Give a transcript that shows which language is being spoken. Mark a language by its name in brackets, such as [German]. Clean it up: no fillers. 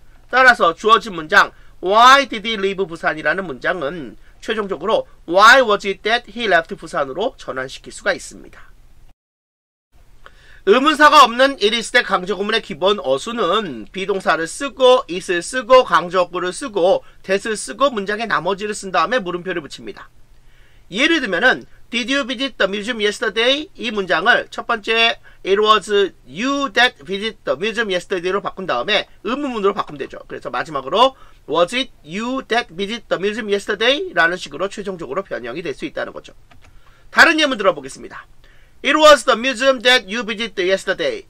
[Korean] 따라서 주어진 문장 [English] Why did he leave Busan [Korean] 이라는 문장은 최종적으로 [English] Why was it that he left Busan [Korean] 으로 전환시킬 수가 있습니다. 의문사가 없는 1일시대 강조구문의 기본 어순은 비동사를 쓰고, it을 쓰고, 강조구를 쓰고, that을 쓰고 문장의 나머지를 쓴 다음에 물음표를 붙입니다. 예를 들면은 [English] Did you visit the museum yesterday? [Korean] 이 문장을 첫 번째 [English] It was you that visited the museum yesterday [Korean] 로 바꾼 다음에 의문문으로 바꾸면 되죠. [English] 그래서 마지막으로 Was it you that visited the museum yesterday? [Korean] 라는 식으로 최종적으로 변형이 될 수 있다는 거죠. 다른 예문 들어보겠습니다. [English] It was the museum that you visited yesterday.